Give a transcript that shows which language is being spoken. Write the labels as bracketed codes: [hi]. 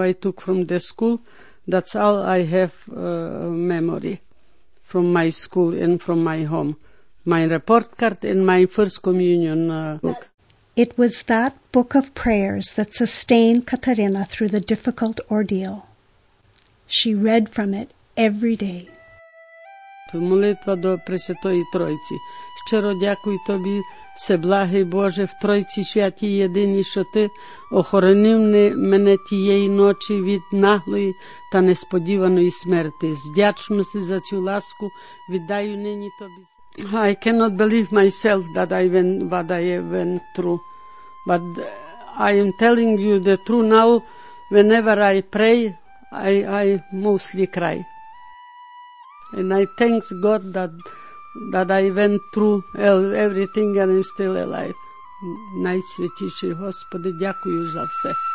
[en] I took from the school. That's all I have memory from my school and from my home. My report card and my First Communion book. It was that book of prayers that sustained Katarina through the difficult ordeal. She read from it every day. [uk] Молитва до Пресвятої Тройці. Щиро дякую тобі, всеблагий Боже, в Тройці Святій Єдиній, що ти охоронив мене тієї ночі від наглої та несподіваної смерти. З вдячності за цю ласку віддаю нині тобі. [en] I cannot believe myself that I went, what I went through. But I am telling you the truth now, whenever I pray, I mostly cry. And I thank God that I went through everything and I'm still alive. [uk] Найсвятіший Господи, дякую за все.